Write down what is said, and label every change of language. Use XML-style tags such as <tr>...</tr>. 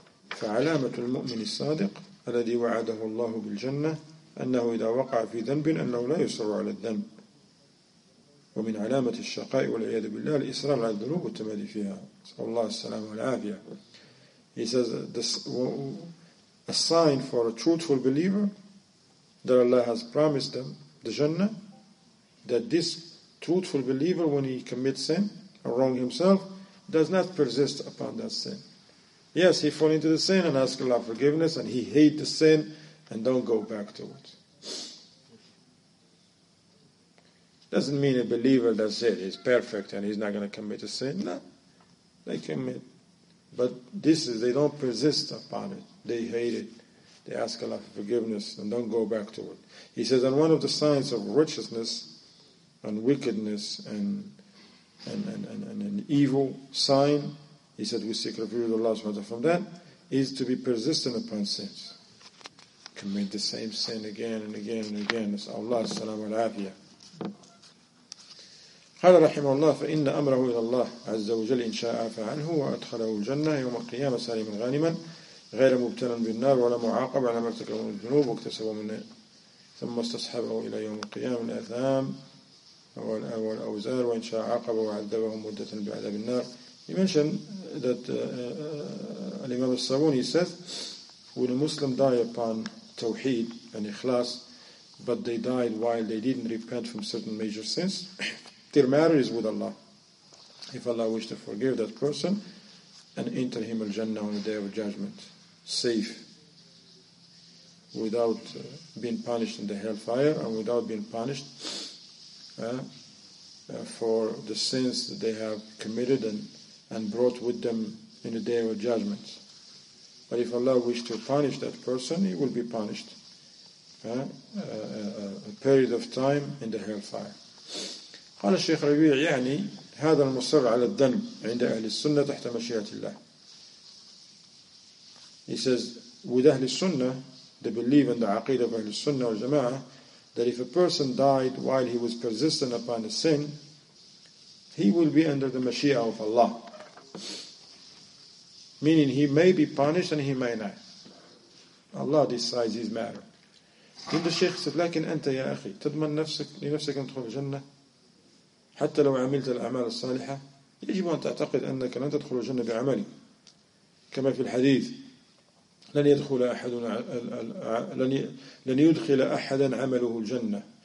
<ar>فعلامة المؤمن الصادق الذي وعده الله بالجنة أنه إذا وقع في ذنب أنه لا يصر على الذنب ومن علامة الشقاء والعياذ بالله الإصرار على الذنوب والتمادي فيها صلى الله السلام والعافية.</ar> <en>He says this, a sign for a truthful believer that Allah has promised them the Jannah, that this truthful believer, when he commits sin or wrong himself, does not persist upon that sin. Yes, he falls into the sin and asks Allah forgiveness, and he hates the sin and don't go back to it. Doesn't mean a believer, that's it, he's perfect and he's not going to commit a sin. No, they commit. But this is, they don't persist upon it. They hate it. They ask Allah for forgiveness and don't go back to it. He says, and one of the signs of righteousness and wickedness and an evil sign, he said, we seek refuge with Allah SWT from that, is to be persistent upon sins. Commit the same sin again and again and again. It's Allah salam al-afiyah.</en> <ar>قال رحمه الله فإن أمره إلى الله عز وجل إن شاء عفى عنه وأدخله الجنة يوم القيامة سالما غانما غير مبتلى بالنار ولا معاقب على ما ارتكب من الذنوب واكتسب منه ثم استصحبه إلى يوم القيامة الأثام والأوزار وإن شاء عاقبه وعذبه مدة بعذاب النار.</ar> <en>He mentioned that Imam al-Saaboonee says when a Muslim died upon Tawheed and Ikhlaas but they died while they didn't repent from certain major sins, their matter is with Allah. If Allah wish to forgive that person and enter him al-Jannah on the day of judgment, safe, without being punished in the hellfire and without being punished for the sins that they have committed and brought with them in the day of judgment. But if Allah wish to punish that person, he will be punished a period of time in the hellfire.</en> <ar>قال الشيخ ربيع يعني هذا المصر على الذنب عند أهل السنة تحت مشيئة الله.</ar> <en>He says with أهل السنة, the belief and the عقيدة of أهل السنة والجماعة, that if a person died while he was persistent upon a sin, he will be under the mashiya of Allah, meaning he may be punished and he may not. Allah decides his matter. Then the Shaykh said,</en> <ar>لكن أنت يا أخي تضمن نفسك لنفسك أن تدخل الجنة حتى لو عملت الأعمال الصالحة, يجب أن تعتقد أنك لن تدخل الجنة بعملك, كما في الحديث لن يدخل أحدا عمله الجنة.</ar>